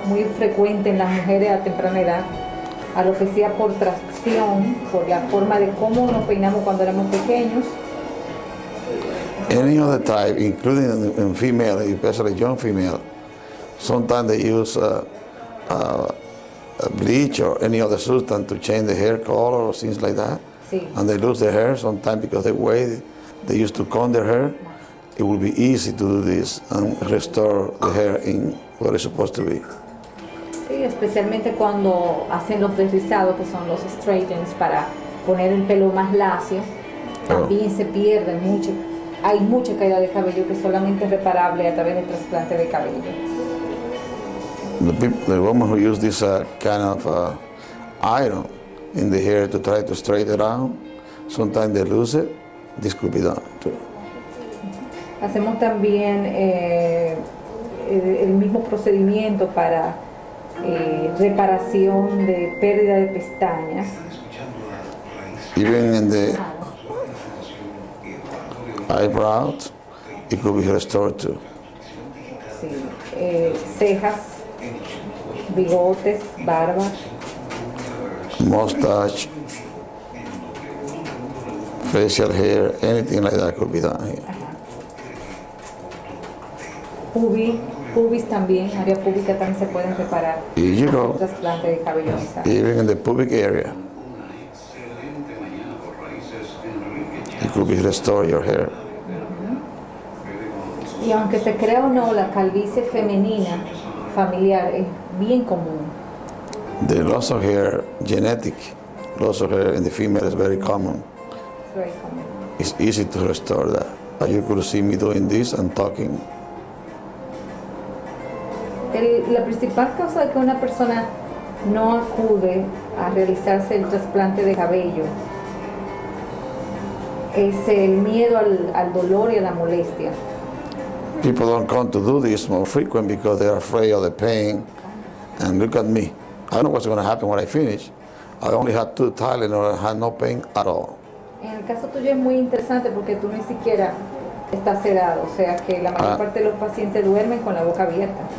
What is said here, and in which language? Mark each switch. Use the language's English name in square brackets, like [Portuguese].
[Spanish] Muy frecuente en las mujeres a temprana edad, alopecia por tracción, por la forma de cómo nos peinamos cuando éramos pequeños. [English] Any other type, including in female, especially young female, sometimes they use a bleach or any other substance to change the hair color or things like that. [Spanish] Sí. [English] And they lose their hair sometimes because the way they used to comb their hair, it will be easy to do this and restore the hair in what it's supposed to be. [Spanish] Sí, especialmente cuando hacen los deslizados, que son los straightens, para poner el pelo más lacio, también se pierde mucho hay mucha caída de cabello que solamente es reparable a través del trasplante de cabello. [English] The people, the woman who used this kind of iron in the hair to try to straighten it out, sometimes they lose it. This could be done too. [Spanish] Hacemos también el mismo procedimiento para reparación de pérdida de pestañas. [English] Even in the eyebrows, it could be restored too. [Spanish] Sí, cejas, bigotes, barba, [English] mustache, facial hair, anything like that could be done here. [Spanish] Pubis también, área pública también se pueden reparar. Trasplante de cabello. [English] Even in the pubic area, it could be restored your hair. Y aunque se crea o no, la calvicie femenina familiar es bien común. The loss of hair, genetic loss of hair in the female is very common. It's very common. It's easy to restore that. But you could see me doing this and talking. [Spanish] La principal causa de que una persona no acude a realizarse el trasplante de cabello es el miedo al dolor y a la molestia. [English] People don't come to do this more frequent because they're afraid of the pain. And look at me. I don't know what's going to happen when I finish. I only had 2 Tylenol and had no pain at all. [Spanish] En el caso tuyo es muy interesante porque tú ni siquiera estás sedado. O sea que la mayor parte de los pacientes duermen con la boca abierta.